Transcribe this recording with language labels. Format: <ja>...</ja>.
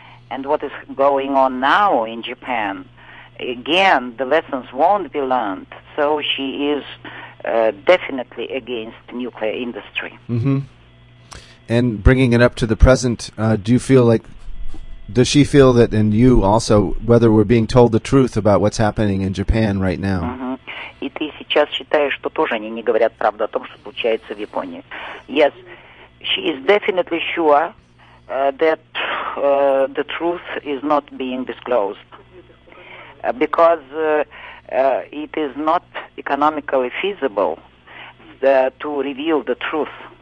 <en>And what is going on now in Japan, again, the lessons won't be learned. So she is definitely against nuclear industry. Mm-hmm. And bringing it up to the present, does she feel that, and you also, whether we're being told the truth about what's happening in Japan right now?</en> <ru>И ты сейчас считаешь, что тоже они не говорят правду о том, что случается в Японии?</ru> <en>Yes, she is definitely sure that the truth is not being disclosed because it is not economically feasible to reveal the truth.</en>